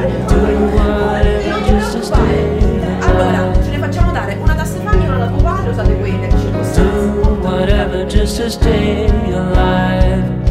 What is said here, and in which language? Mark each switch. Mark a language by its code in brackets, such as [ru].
[en] Do whatever just to stay alive. [it] Allora, ce le facciamo dare una da Stefania e una da tua padre, usate quelle circostanze. [en] Do whatever just to stay alive.